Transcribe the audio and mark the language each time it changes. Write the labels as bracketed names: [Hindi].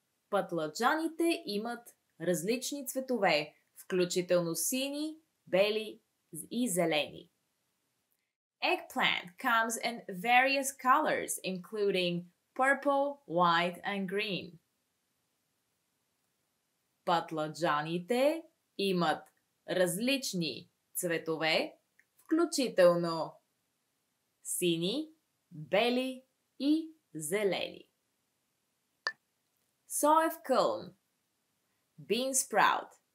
[Bulgarian] Патладжаните имат различни цветове, включително сини, бели и зелени. [English] Eggplant comes in various colors, including purple, white and green. [Bulgarian] Патладжаните имат различни цветове, включително сини, бели и зелени. [English] Soyfkuln. Bean sprout.